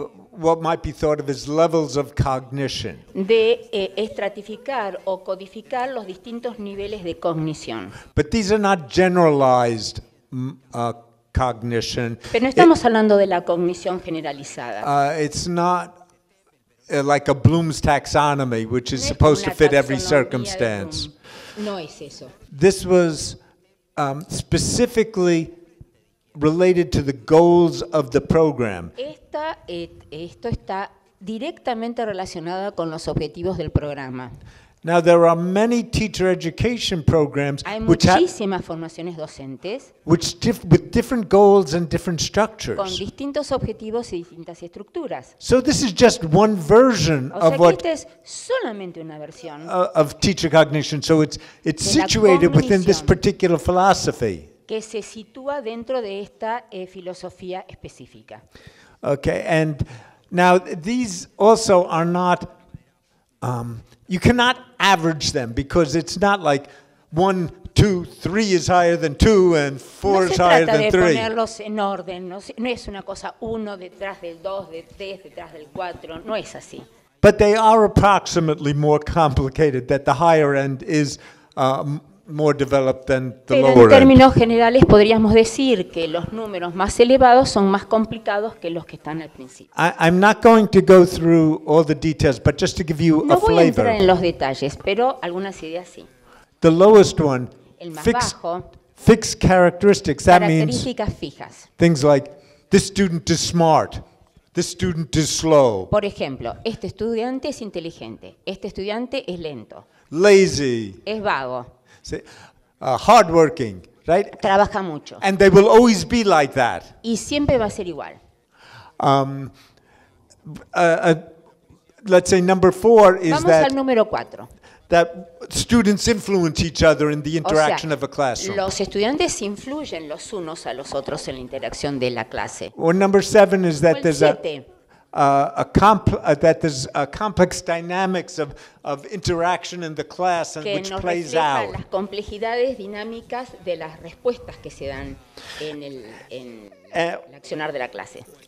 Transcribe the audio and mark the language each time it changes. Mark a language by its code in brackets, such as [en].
[en] what might be thought of as levels of cognition. [es] De estratificar o codificar los distintos niveles de cognición. [en] But these are not generalized cognition. [es] Pero no estamos hablando de la cognición generalizada. [en] It's not like a Bloom's taxonomy, which is supposed to fit every circumstance. [es] No es eso. [en] This was specifically related to the goals of the program. [es] Esto está directamente relacionado con los objetivos del programa. [en] Now there are many teacher education programs with different goals and different structures. [es] Con distintos objetivos y distintas estructuras. [en] So this is just one version of what [es] es solamente una versión [en] of teacher cognition. So it's situated within this particular philosophy. [es] Que se sitúa dentro de esta filosofía específica. [en] Okay, and now these also are not. You cannot average them because it's not like 1, 2, 3 is higher than 2 and 4 is higher than 3. [es] No se trata de ponerlos en orden. No es una cosa uno detrás del dos, de tres detrás del cuatro. No es así. [en] But they are approximately more complicated. That the higher end is more developed than the lower end. [es] Pero en términos generales podríamos decir que los números más elevados son más complicados que los que están al principio. [en] I'm not going to go through all the details, but just to give you a flavor. [es] No voy a entrar en los detalles, pero algunas ideas sí. [en] The lowest one, [es] el más bajo, [en] fixed characteristics. That means [es] características fijas. [en] Things like this student is smart. This student is slow. [es] Por ejemplo, este estudiante es inteligente. Este estudiante es lento. [en] Lazy. [es] Es vago. [en] Hard working, right? [es] Trabaja mucho. [en] And they will always be like that. [es] Y siempre va a ser igual. [en] Let's say number 4 is [es] vamos [en] that. [es] Vamos al número 4. [en] That students influence each other in the interaction, [es] o sea, [en] of a classroom. [es] Los estudiantes influyen los unos a los otros en la interacción de la clase. [en] Or number 7 is that there's [es] siete. [en] That there's a complex dynamics of interaction in the class and which plays out. [es] Las complejidades dinámicas de las respuestas que se dan en el accionar de la clase.